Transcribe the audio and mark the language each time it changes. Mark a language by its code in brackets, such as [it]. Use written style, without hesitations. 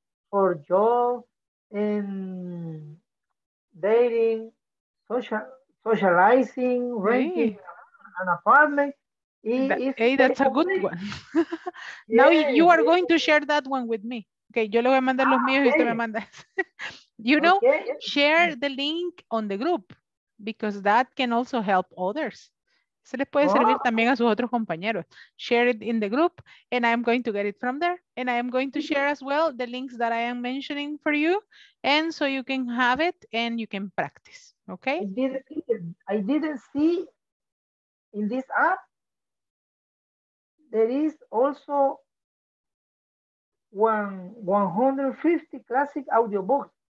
[en] For job and dating, socializing, renting an apartment. That's a good one. Now you are going to share that one with me. [es] Okay, yo le voy a mandar los míos y usted me manda. [en] You know, share the link on the group because that can also help others. [es] Se les puede servir también a sus otros compañeros. [en] Share it in the group and I'm going to get it from there. And I am going to share as well the links that I am mentioning for you. And so you can have it and you can practice, okay? I didn't see in this app there is also 150 classic audiobooks.